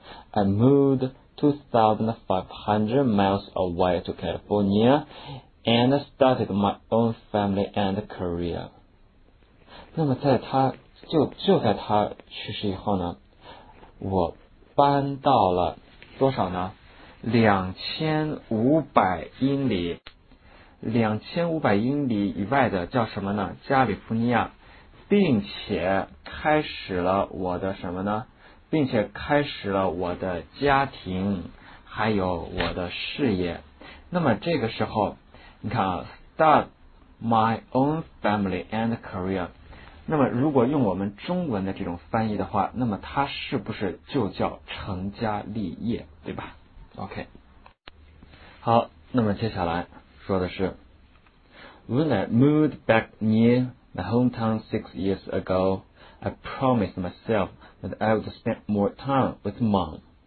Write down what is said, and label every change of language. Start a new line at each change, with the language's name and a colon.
English: I moved 2,500 miles away to California and started my own family and career。
Chinese: 那么在他就在他去世以后呢，我搬到了多少呢？ 2500英里以外的叫什么呢？加利福尼亚，并且开始了我的什么呢？并且开始了我的家庭，还有我的事业。那么这个时候，你看啊 ，
English: start my own family and career。
Chinese: 那么如果用我们中文的这种翻译的话，那么它是不是就叫成家立业，对吧 ？OK。好，那么接下来说的是
English: ，When I moved back near my hometown 6 years ago, I promised myself that I would spend more time with mom。